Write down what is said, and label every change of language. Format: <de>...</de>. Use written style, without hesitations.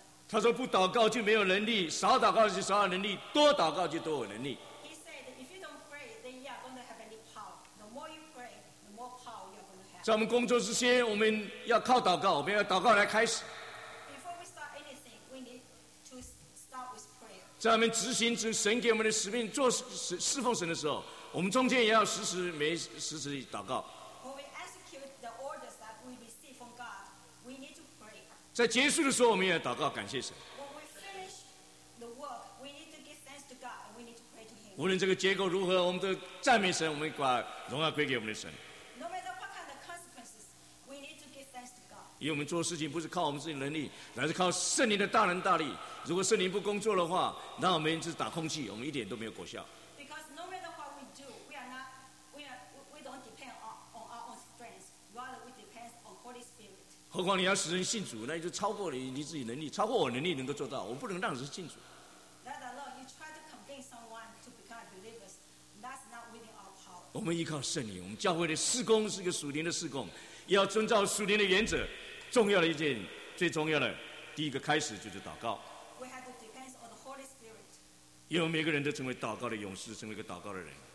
<zh>他说不祷告就没有能力，少祷告就少有能力，多祷告就多有能力。</zh> <en>He said, if you don't pray, then you are going to have any power. The more you pray, the more power you are going to have.</en> <zh>在我们工作之前，我们要靠祷告，我们要祷告来开始。</zh> <en>Before we start anything, we need to start with prayer.</en> <zh>在我们执行着神给我们的使命，做侍奉神的时候，我们中间也要时时每时时祷告。</zh> <en>When we execute the orders that we receive from God, we need to pray.</en> <zh>在结束的时候，我们也要祷告感谢神。</zh> <en>When we finish the work, we need to give thanks to God and we need to pray to Him.</en> <zh>无论这个结果如何，我们都赞美神，我们把荣耀归给我们的神。</zh> <en>No matter what kind of consequences, we need to give thanks to God.</en> <zh>因为我们做事情不是靠我们自己能力，乃是靠圣灵的大能大力。如果圣灵不工作的话，那我们就是打空气，我们一点都没有果效。</zh> <en>Because no matter what we do, we don't depend on our own strength, rather we depend on Holy Spirit.</en> <zh>何况你要使人信主，那就超过了你自己能力，超过我能力能够做到。我不能让人信主。</zh> <en>Let alone you try to convince someone to become a believer, that's not within our power.</en> <zh>我们依靠圣灵，我们教会的事工是一个属灵的事工，要遵照属灵的原则。重要的一件，最重要的第一个开始就是祷告。</zh> <en>We have to depend on the Holy Spirit.</en> <zh>因为每个人都成为祷告的勇士，成为一个祷告的人。</zh>